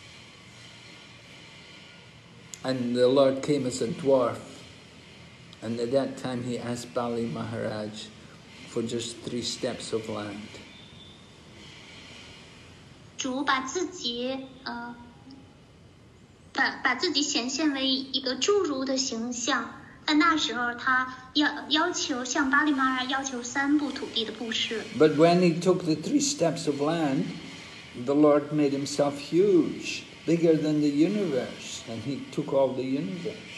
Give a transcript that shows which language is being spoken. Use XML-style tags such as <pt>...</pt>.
<zh>主实际上是欺骗了巴利玛拉，欺骗了恶魔，把这个王国给骗了回来。</zh> <en>And the Lord came as a dwarf, and at that time he asked Bali Maharaj for just 3 steps of land.</en> <zh>主把自己显现为一个侏儒的形象。</zh> <en>But when he took the 3 steps of land, the Lord made himself huge, bigger than the universe, and he took all the universe.</en>